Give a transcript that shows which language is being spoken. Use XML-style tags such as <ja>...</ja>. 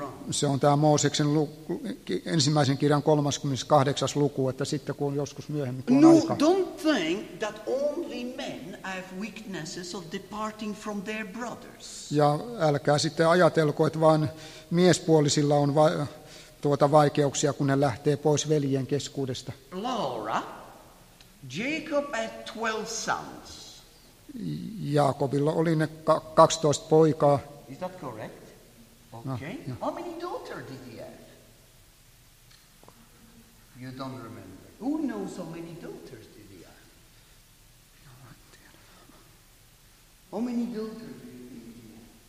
<fi>Se on tämä Mooseksen ensimmäisen kirjan 38. luku, että sitten kun joskus myöhemmin, kun on aika.</fi> <en>No, don't think that only men have weaknesses of departing from their brothers.</en> <fi>Ja älkää sitten ajatelko, että vain miespuolisilla on vaikeuksia, kun ne lähtee pois veljien keskuudesta.</fi> <en>Laura, Jacob had 12 sons.</en> <fi>Jaakobilla oli ne 12 poikaa.</fi> <en>Is that correct? Okay. No, no. How many daughters did he have? You don't remember. Who knows how many daughters did he have? How many daughters did he have?</en>